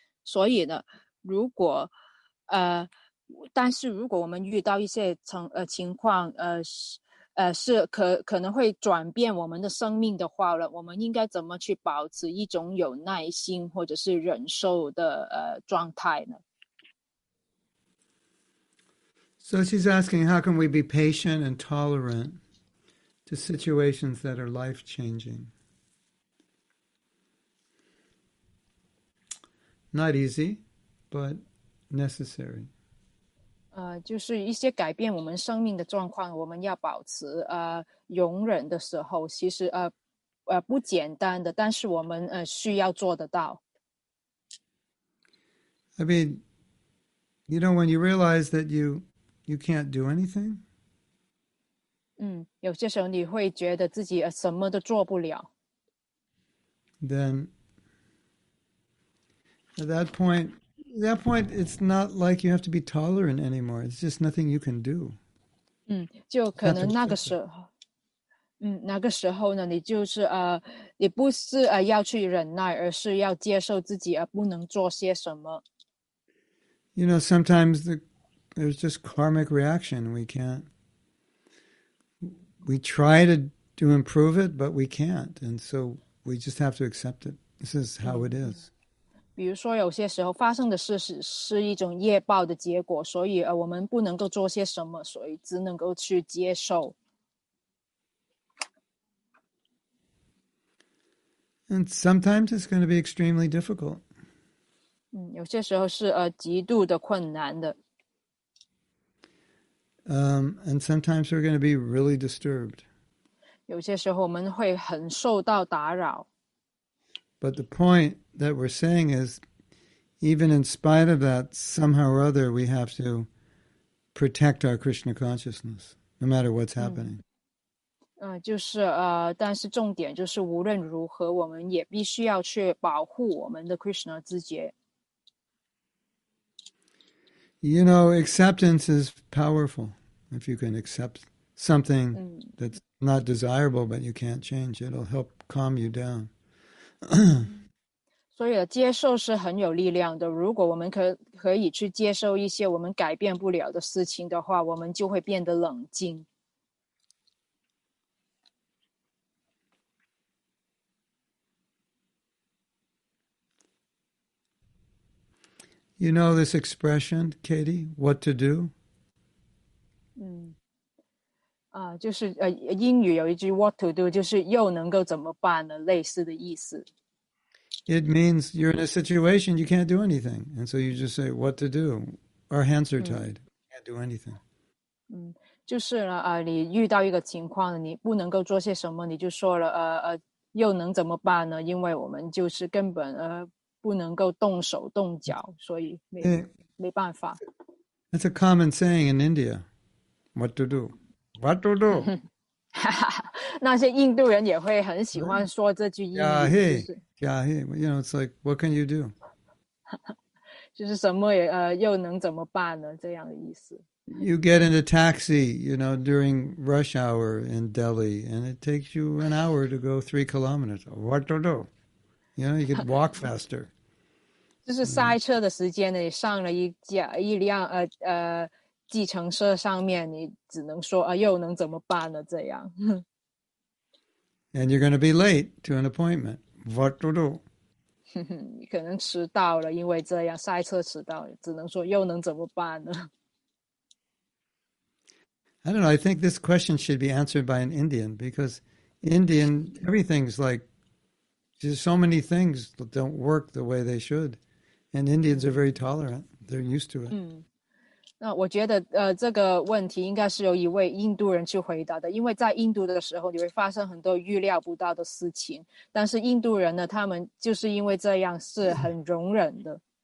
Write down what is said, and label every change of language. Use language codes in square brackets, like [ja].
[zh] 所以呢，如果但是如果我们遇到一些情况是可能会转变我们的生命的话了，我们应该怎么去保持一种有耐心或者是忍受的状态呢？ [en] So she's asking, how can we be patient and tolerant to situations that are life-changing? Not easy, but necessary. [zh] 就是一些改变我们生命的状况，我们要保持容忍的时候，其实不简单的，但是我们需要做得到。 [en] I mean, you know, when you realize that you can't do anything. [zh] 有些时候你会觉得自己什么都做不了。 [en] Then, at that point. At that point, it's not like you have to be tolerant anymore. It's just nothing you can do. [zh] 就可能那个时候，那个时候呢，你就是你不是要去忍耐，而是要接受自己不能做些什么。 [en] You know, sometimes there's just karmic reaction. We can't. We try to improve it, but we can't. And so we just have to accept it. This is how it is. [zh] 比如说有些时候发生的事 是一种业报的结果，所以我们不能够做些什么，所以只能够去接受。 [en] And sometimes it's going to be extremely difficult. [zh] 有些时候是极度的困难的。 [en] And sometimes we're going to be really disturbed. [zh] 有些时候我们会很受到打扰。 [en] But the point that we're saying is, even in spite of that, somehow or other, we have to protect our Krishna consciousness, no matter what's happening. [zh] 就是但是重点就是无论如何，我们也必须要去保护我们的 Krishna 自觉。 [en] You know, acceptance is powerful. If you can accept something that's not desirable, but you can't change, it'll help calm you down. [zh] 所以接受是很有力量的，如果我们可以去接受一些我们改变不了的事情的话，我们就会变得冷静。 [en] You know this expression, Katie, what to do? [zh] 就是英语有一句 [en] what to do, [zh] 就是又能够怎么办呢，类似的意思。 [en] It means you're in a situation you can't do anything. And so you just say, what to do? Our hands are tied. Can't do anything. [zh] 就是呢你遇到一个情况你不能够做些什么，你就说了又能怎么办呢？因为我们就是根本不能够动手动脚，所以没办法。 [en] That's a common saying in India. What to do? What to do? [zh] 那些印度人也会很喜欢说这句英语。 [en] Yeah, hey. Yeah, you know, it's like, what can you do? [zh] 就是什么也又能怎么办呢？这样的意思。 [en] You get in a taxi, you know, during rush hour in Delhi, and it takes you an hour to go 3 kilometers. What to do? You know, you could walk faster. [zh] 就是塞车的时间呢，你上了一辆计程车上面，你只能说啊，又能怎么办呢？这样。 [en] And you're going to be late to an appointment. What to do? [zh] 可能迟到了，因为这样塞车迟到，只能说又能怎么办呢？ [en] I don't know. I think this question should be answered by an Indian because Indian, everything's like, just so many things don't work the way they should. And Indians are very tolerant. They're used to it. [zh] 那我觉得这个问题应该是由一位印度人去回答的，因为在印度的时候，你会发生很多预料不到的事情。但是印度人呢，他们就是因为这样是很容忍的。